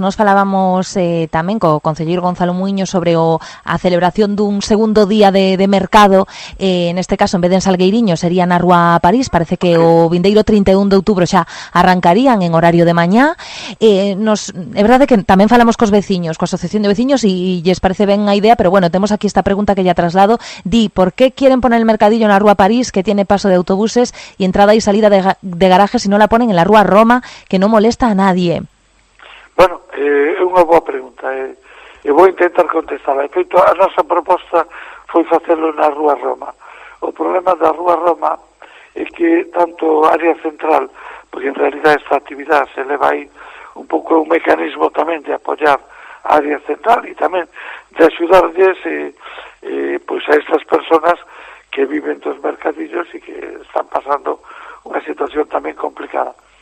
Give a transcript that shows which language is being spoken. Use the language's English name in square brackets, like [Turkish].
[Galician] Nos falábamos tamén co concelleiro Gonzalo Muíño sobre a celebración dun segundo día de mercado. En este caso, en vez de en Salgueiriño, sería na Rúa París. Parece que o vindeiro 31 de outubro xa arrancarían en horario de mañá. É verdade que tamén falamos cos veciños, coa Asociación de Veciños, e lles parece ben a idea, pero bueno, temos aquí esta pregunta que lle traslado. [Spanish] Di, por que quieren poner el mercadillo na Rúa París, que tiene paso de autobuses y entrada y salida de garajes, si no la ponen en la Rúa Roma, que no molesta a nadie? [Galician] Bueno, é unha boa pregunta, e vou intentar contestarla. De feito, a nosa proposta foi facelo na Rúa Roma. O problema da Rúa Roma é que tanto área central, porque en realidad esta actividad se leva aí un pouco un mecanismo tamén de apoyar a área central e tamén de axudarles pues a estas personas que viven dos mercadillos e que están pasando unha situación tamén complicada.